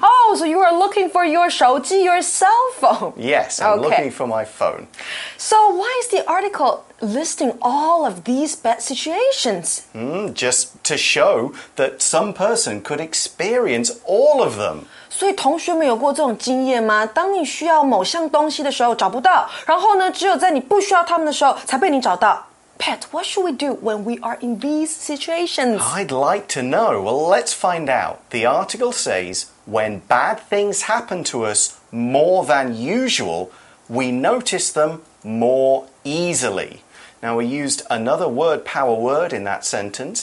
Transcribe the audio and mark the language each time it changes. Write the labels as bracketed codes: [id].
[en] Oh, so you are looking for your 手机 your cell phone. Yes, I'm、okay. looking for my phone. So why is the article... listing all of these bad situations. Just to show that some person could experience all of them. [zh] 所以同学们有过这种经验吗？当你需要某项东西的时候找不到，然后呢，只有在你不需要他们的时候才被你找到。 [en] Pat, what should we do when we are in these situations? I'd like to know. Well, let's find out. The article says, when bad things happen to us more than usual, we notice them more easily. Now we used another word power word in that sentence.